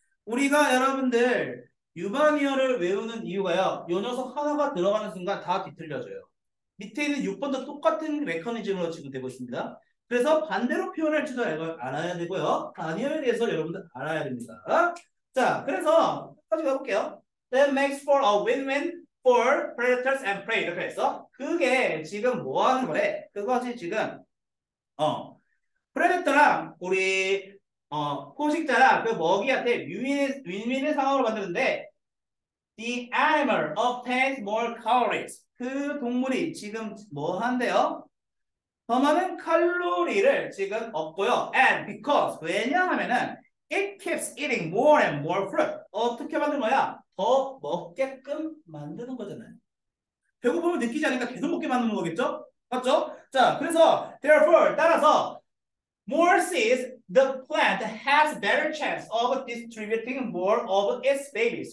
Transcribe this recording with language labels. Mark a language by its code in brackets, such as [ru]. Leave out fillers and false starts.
[ko] 우리가 여러분들 유바니어를 외우는 이유가요, 요 녀석 하나가 들어가는 순간 다 뒤틀려져요. 밑에 있는 6번도 똑같은 메커니즘으로 지금 되고 있습니다. 그래서 반대로 표현할 줄도 알아야 되고요. 아니어에 대해서 여러분들 알아야 됩니다. 자, 그래서 다시 가볼게요. [en] That makes for a win-win for predators and prey. [ko] 이렇게 했어. 그게 지금 뭐 하는 거래? 그것이 지금, predator랑 우리, 포식자랑 그 먹이한테 win-win의 상황으로 만드는데, [en] the animal obtains more calories. [ko] 그 동물이 지금 뭐 한대요? 더 많은 칼로리를 지금 얻고요. [en] And because, [ko] 왜냐하면은, [en] it keeps eating more and more fruit. [ko] 어떻게 만든 거야? 더 먹게끔 만드는 거잖아요. 배고픔을 느끼지 않으니까 계속 먹게 만드는 거겠죠? 맞죠? 자, 그래서, [en] therefore, [ko] 따라서, [en] more seeds, the plant has better chance of distributing more of its babies.